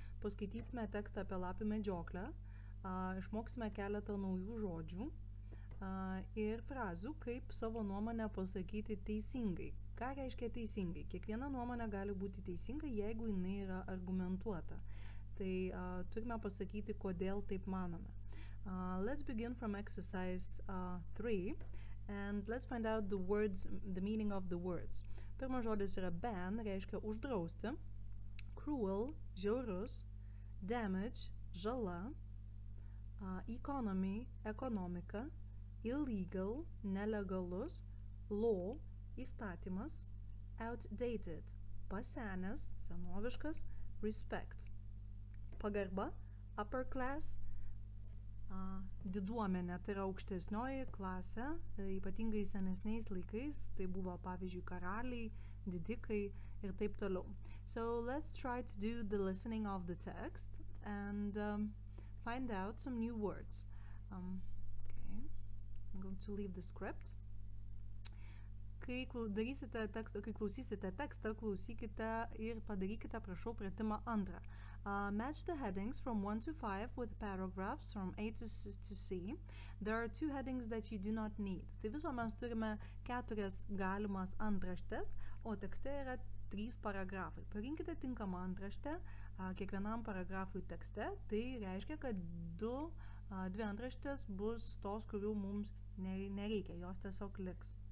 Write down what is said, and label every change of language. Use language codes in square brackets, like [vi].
[lt] Paskaitysime tekstą apie lapių medžioklę, išmoksime keletą naujų žodžių ir frazių, kaip savo nuomonę pasakyti teisingai. Ką reiškia teisingai? Kiekviena nuomonė gali būti teisinga, jeigu jinai yra argumentuota. Tai turime pasakyti, kodėl taip manome. [en] Let's begin from exercise 3 and let's find out the words, the meaning of the words. [lt] Pirmas žodis yra ban, reiškia uždrausti, cruel, žiaurus, damage, žala, economy, ekonomika, illegal, nelegalus, law, įstatymas, outdated, pasenęs, senoviškas, respect, pagarba, upper class, diduomenė, tai yra aukštesnioji klasė, ypatingai senesniais laikais, tai buvo pavyzdžiui karaliai, didikai ir taip toliau. [en] So let's try to do the listening of the text and find out some new words. Okay. I'm going to leave the script. [lt] Kai klausysite tekstą, klausykite ir padarykite, prašau, pratimą antrą. [en] Match the headings from 1 to 5 with paragraphs from A to C. There are two headings that you do not need. [lt] Tai viso mes turime 4 galimas antraštes, o tekste yra 3 paragrafai. Parinkite tinkamą antraštę kiekvienam paragrafui tekste, tai reiškia, kad 2 antraštės bus tos, kurių mums nereikia, jos tiesiog liks.